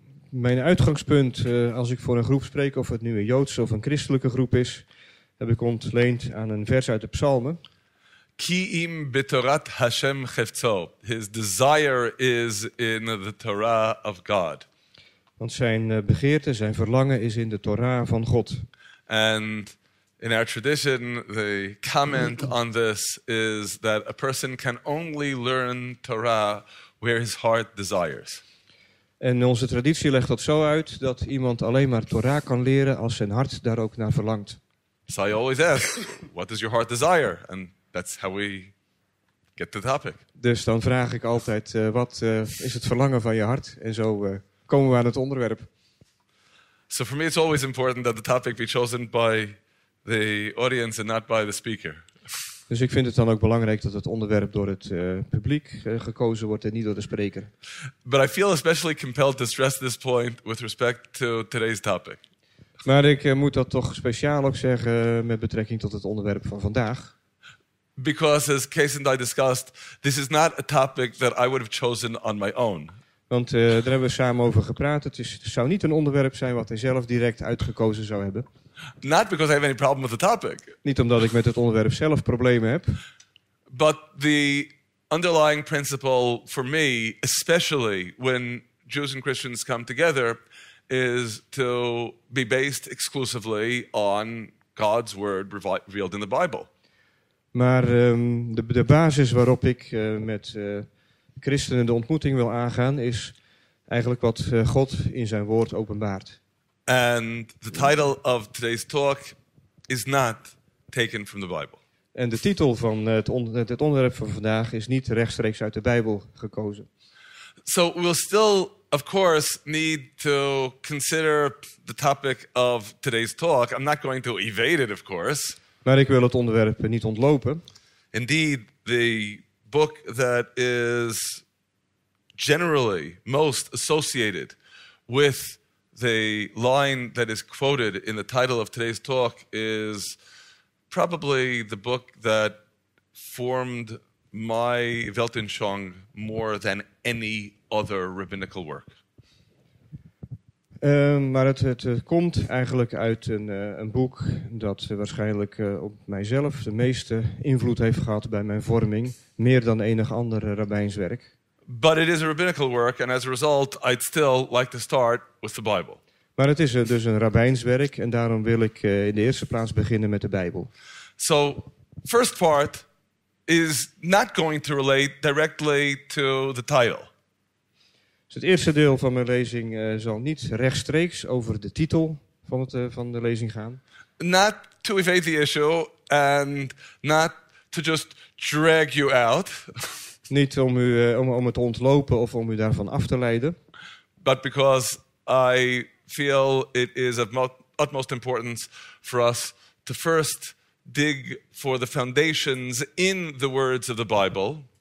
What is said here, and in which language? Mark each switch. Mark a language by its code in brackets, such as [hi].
[nl] Mijn uitgangspunt, als ik voor een groep spreek, of het nu een Joodse of een christelijke groep is, heb ik ontleend aan een vers uit de Psalmen. [he] Ki im betorat Hashem chefzo. [en] His desire is in the Torah of God. [nl] Want zijn begeerte, zijn verlangen is in de Torah van God. [en] And in our tradition, the comment on this is that a person can only learn Torah where his heart desires. [nl] En onze traditie legt dat zo uit dat iemand alleen maar Torah kan leren als zijn hart daar ook naar verlangt. [en] So I always ask, what does your heart desire? And that's how we get to the topic. [nl] Dus dan vraag ik altijd, wat is het verlangen van je hart? En zo komen we aan het onderwerp. [en] So for me it's always important that the topic be chosen by the audience and not by the speaker. [nl] Dus ik vind het dan ook belangrijk dat het onderwerp door het publiek gekozen wordt en niet door de spreker. [en] But I feel especially compelled to stress this point with respect to today's topic. [nl] Maar ik moet dat toch speciaal ook zeggen met betrekking tot het onderwerp van vandaag. [en] Because as Kees and I discussed, this is not a topic that I would have chosen on my own. [nl] Want daar hebben we samen over gepraat. Het zou niet een onderwerp zijn wat hij zelf direct uitgekozen zou hebben. [en] Not because I have any problem with the topic. [nl] Niet omdat ik met het onderwerp zelf problemen heb. [en] But the underlying principle for me, especially when Jews and Christians come together, is to be based exclusively on God's word revealed in the Bible. [nl] Maar de basis waarop ik met christenen de ontmoeting wil aangaan is eigenlijk wat God in zijn woord openbaart. [en] And the title of today's talk is not taken from the Bible. [nl] En de titel van het onderwerp van vandaag is niet rechtstreeks uit de Bijbel gekozen. [en] So we'll still of course need to consider the topic of today's talk. I'm not going to evade it, of course. [nl] Maar ik wil het onderwerp niet ontlopen. [en] Indeed, the book that is generally most associated with the line that is quoted in the title of today's talk is probably the book that formed my Weltanschauung more than any other rabbinical work. [nl] Maar het komt eigenlijk uit een boek dat waarschijnlijk op mijzelf de meeste invloed heeft gehad bij mijn vorming, meer dan enig ander rabbijns werk. [en] But it is a rabbinical work, and as a result, I'd still like to start with the Bible. [nl] Maar het is dus een rabbijns werk, en daarom wil ik in de eerste plaats beginnen met de Bijbel. [en] So, first part is not going to relate directly to the title. [nl] Dus het eerste deel van mijn lezing zal niet rechtstreeks over de titel van de lezing gaan. [en] Not to evade the issue and not to just drag you out. [nl] Niet om het te ontlopen of om u daarvan af te leiden. [en] But because I feel it is of utmost importance for us to first dig for the foundations in the words of the Bible.